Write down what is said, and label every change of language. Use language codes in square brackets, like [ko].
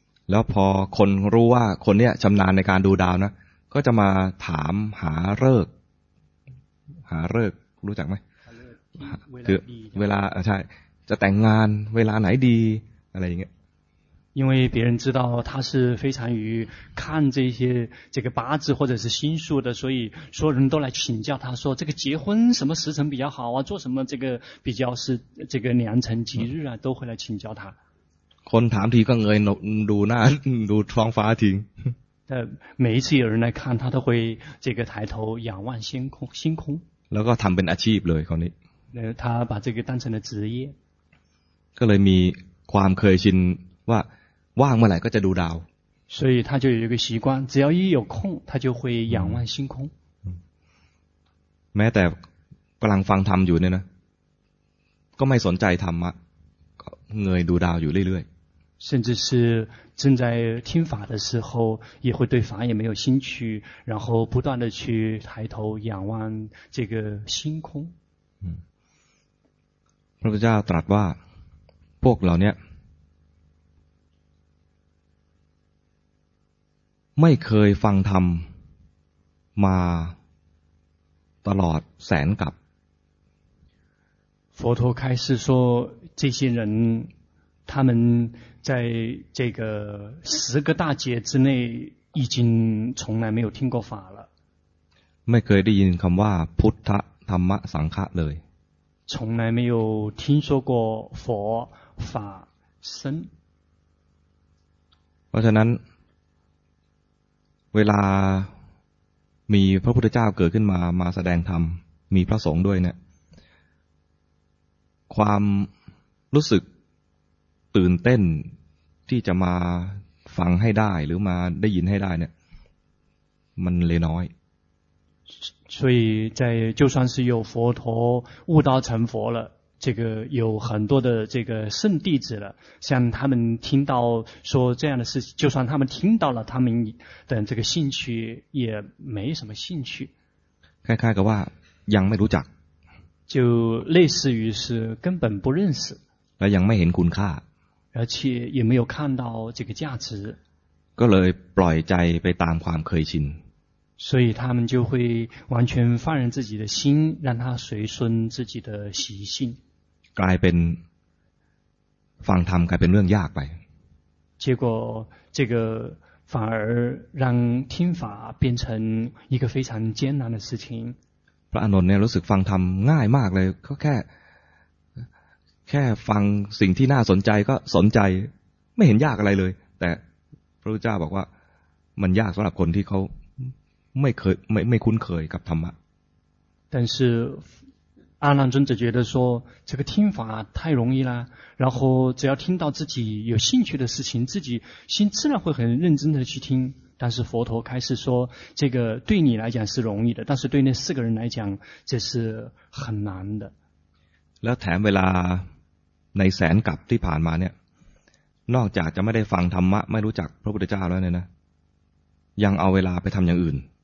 [th] แล้วพอคนรู้ว่าคนเนี้ยชำนาญในการดูดาวนะก็จะมาถามหาฤกษ์หาฤกษ์รู้จักไหม คือ เวลาใช่จะแต่งงานเวลาไหนดีอะไรอย่างเงี้ย [zh] 因为别人知道他是非常于看这些这个八字或者是星宿的，所以所有人都来请教他说这个结婚什么时辰比较好啊，做什么这个比较是这个良辰吉日啊，都会来请教他。 [th] คนถามทีก็เงยดูหน้าดูท้องฟ้าที [zh] แต่每一次有人来看他都会这个抬头仰望星空星空 [th] แล้วก็ทำเป็นอาชีพเลยคนนี้ [zh] แล้ว他把这个当成了职业 [th] ก็เลยมีความเคยชินว่าว่างเมื่อไหร่ก็จะดูดาว [zh] 所以他就有一个习惯只要一有空他就会仰望星空 [th] แม้แต่กำลังฟังธรรมอยู่เนี่ยนะก็ไม่สนใจธรรมะเงยดูดาวอยู่เรื่อย [zh] ๆ甚至是正在听法的时候也会对法也没有兴趣然后不断的去抬头仰望这个星空 [th] พระพุทธเจ้าตรัสว่าพวกเราเนี่ยไม่เคยฟังธรรมมาตลอดแสนกับ [zh] 佛陀开示说这些人他们在这个十个大劫之内已经从来没有听过法了 [th] ไม่เคยได้ยินคำว่าพุทธธรรมสังฆะเลย [zh] 从来没有听说过佛法僧 [th] เพราะฉะนั้นเวลามีพระพุทธเจ้าเกิดขึ้นมาแสดงธรรมมีพระสงฆ์ด้วยเนี่ย ความรู้สึกตื่นเต้นที่จะมาฟังให้ได้หรือมาได้ยินให้ได้เนี่ยมันเลยน้อย [zh] 所以在就算是有佛陀悟道成佛了这个有很多的这个圣弟子了像他们听到说这样的事情就算他们听到了他们的这个兴趣也没什么兴趣开开个话 [th] ยังไม่รู้จัก [zh] 就类似于是根本不认识 [th] และยังไม่เห็นคุณค่า [zh] 而且也没有看到这个价值 [th] ก็เลยปล่อยใจไปตามความเคยชิน [zh] 所以他们就会完全放任自己的心让他随顺自己的习性 [th] กลายเป็นฟังธรรมกลายเป็นเรื่องยากไป [zh] 结果这个反而让听法变成一个非常艰难的事情 [th] พระอานนท์เนี่ยรู้สึกฟังธรรมง่ายมากเลยก็แค่ฟังสิ่งที่น่าสนใจก็สนใจไม่เห็นยากอะไรเลยแต่พระพุทธเจ้าบอกว่ามันยากสำหรับคนที่เขาไม่เคยไม่คุ้นเคยกับธรรมะ [zh] 但是阿难尊者觉得说这个听法太容易啦然后只要听到自己有兴趣的事情自己心自然会很认真的去听但是佛陀开始说这个对你来讲是容易的但是对那四个人来讲这是很难的 [th] แล้วแถมเวลาในแสนกับที่ผ่านมาเนี่ยนอกจากจะไม่ได้ฟังธรรมะไม่รู้จักพระพุทธเจ้าแล้วเนี่ยนะยังเอาเวลาไปทำอย่างอื่น